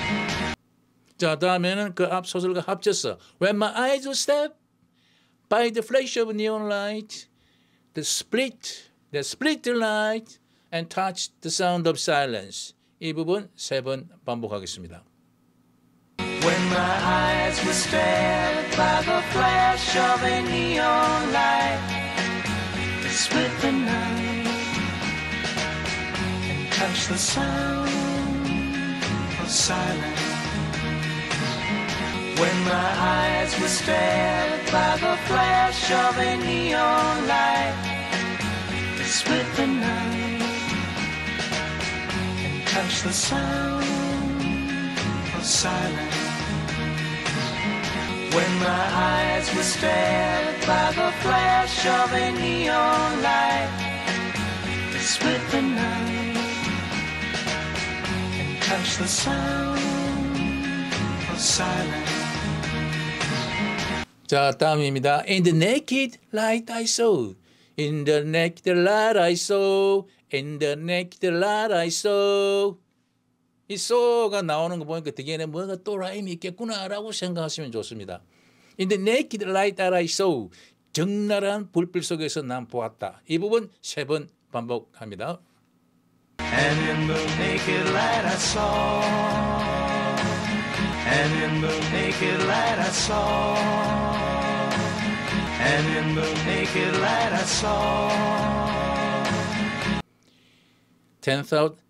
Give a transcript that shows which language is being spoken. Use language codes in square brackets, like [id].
[en] Split the night and touch the sound of silence. [ko] 자, 다음에는 그 앞 소절과 합쳐서 [en] When my eyes were stabbed by the flash of neon light, they split the light and touched the sound of silence. [ko] 이 부분 세 번 반복하겠습니다. [en] When my eyes were stabbed by the flash of a neon light, they split the night and touched the sound of silence. When my eyes were stabbed by the flash of a neon light, they split the night and touched the sound of silence. When my eyes were stabbed by the flash of a neon light, they split the night and touched the sound of silence. [ko] 자, 다음입니다. [en] In the naked light I saw, in the naked light I saw, in the naked light I saw. [ko] 이 so가 나오는 거 보니까 대개는 뭔가 또 라임이 있겠구나라고 생각하시면 좋습니다. [en] In the naked light that I saw, [ko] 적나라한 불빛 속에서 난 보았다. 이 부분 세 번 반복합니다. [en] And in the naked light I saw, and in the naked light I saw, and in the naked light I saw.